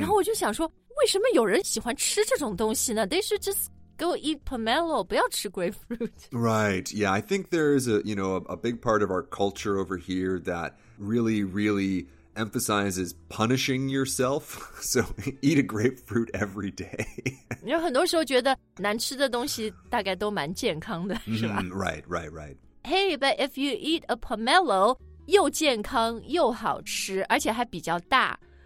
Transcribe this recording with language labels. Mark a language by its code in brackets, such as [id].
[zh] 然后我就想说,为什么有人喜欢吃这种东西呢? [en] They should just... Go eat pomelo, [zh] 不要吃 [en] grapefruit. Right, yeah, I think there is a big part of our culture over here that really, really emphasizes punishing yourself. So eat a grapefruit every day. [zh] 你很多时候觉得难吃的东西大概都蛮健康的，是吧？ [en] Right, right, right. Hey, but if you eat a pomelo, [zh] 又健康又好吃，而且还比较大。